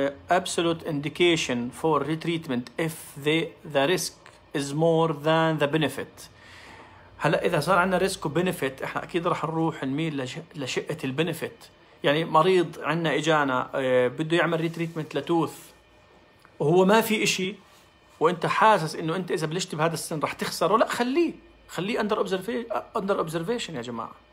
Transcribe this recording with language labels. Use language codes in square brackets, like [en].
[en] Absolute indication for retreatment if the risk is more than the benefit. [ar] هلا اذا صار عندنا ريسك وبنفيت احنا اكيد راح نروح نميل لشقه البنفيت. يعني مريض عندنا اجانا بده يعمل ريتريتمنت لتوث وهو ما في إشي، وانت حاسس انه انت اذا بلشت بهذا السن راح تخسره، لا خليه، خليه [en] under observation, under observation [ar] يا جماعة.